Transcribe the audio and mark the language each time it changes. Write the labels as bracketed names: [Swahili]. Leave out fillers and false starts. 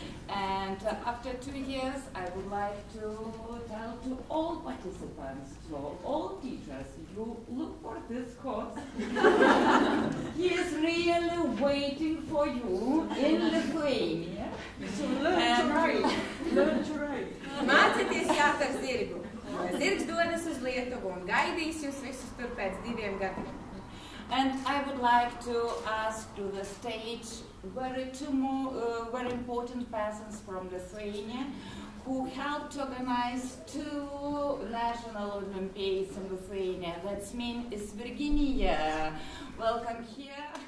[English] And after 2 years, I would like to tell to all participants, to all teachers, you look for this course. He is really waiting for you in Lithuania to learn to write. [Latvian] Mācieties jātar zirgu. Zirgs dodas uz Lietuvu un gaidīs jūs visus tur pēc diviem gadiem. [English] And I would like to ask to the stage very important persons from Lithuania who helped to organize two national Olympiads in Lithuania. That's mean is Virginia. Welcome here.